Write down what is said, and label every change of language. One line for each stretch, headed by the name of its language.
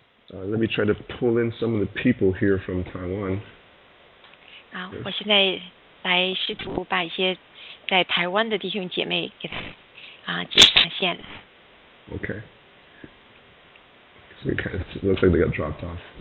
English: So let me try to pull in some of the people here from Taiwan.
Chinese: 啊，我现在来试图把一些在台湾的弟兄姐妹给他接上线。
English: Okay. So it kind of looks like they got dropped off.